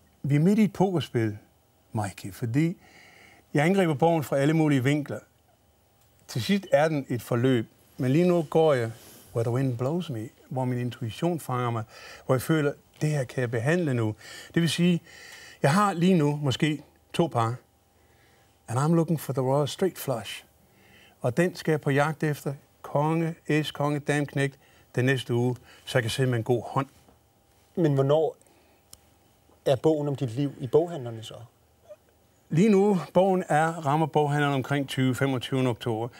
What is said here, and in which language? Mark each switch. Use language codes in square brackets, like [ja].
[da] Vi er midt i et pokerspil, Mikey, fordi jeg angriber bogen fra alle mulige vinkler. Til sidst er den et forløb, men lige nu går jeg, [en] where the wind blows me, [da] hvor min intuition fanger mig, hvor jeg føler, det her kan jeg behandle nu. Det vil sige, jeg har lige nu måske to par. [en] And I'm looking for the Royal Straight Flush. [da] Og den skal jeg på jagt efter. Konge, S, konge, dame, knægt, den næste uge, så jeg kan se med en god hånd. Men hvornår er bogen om dit liv i boghandlerne så? Lige nu, bogen er rammer boghandlerne omkring 20-25 oktober.